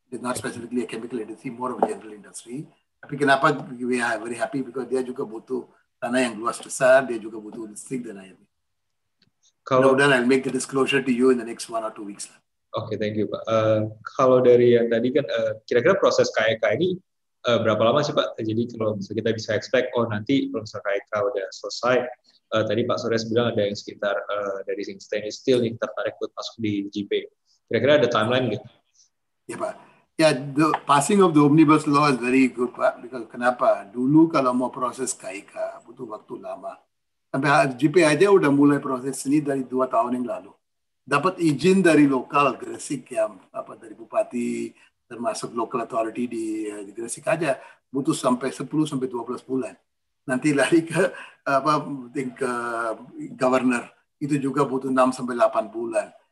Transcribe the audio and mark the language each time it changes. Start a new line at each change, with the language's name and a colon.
English: It's not specifically a chemical industry, more of a general industry.
Indonesian: Tapi kenapa
English: we are very happy? Because
Indonesian: dia juga butuh tanah yang luas besar, dia juga butuh listrik dan lain-lain.
English: Kalau then I'll make the disclosure to you in the next 1 or 2 weeks.
Indonesian: Oke,
English: okay, thank you
Indonesian: Pak. Kalau dari yang tadi kan, kira-kira proses KEK ini berapa lama sih Pak? Jadi kalau kita bisa expect, oh nanti proses KEK udah selesai. Tadi Pak Sures bilang ada yang sekitar dari stainless steel yang tertarik buat masuk di JIP. Kira-kira ada timeline nggak? Ya Pak.
English: Ya, the passing of the omnibus law is very good Pak. Because
Indonesian: kenapa? Dulu kalau mau proses KEK butuh waktu lama. Sampai JIP aja udah mulai proses ini dari 2 tahun yang lalu. Dapat izin dari lokal Gresik yang apa dari bupati termasuk local authority di Gresik aja butuh sampai 10 sampai 12 bulan. Nanti lari ke apa ke governor itu juga butuh 6 sampai 8 bulan.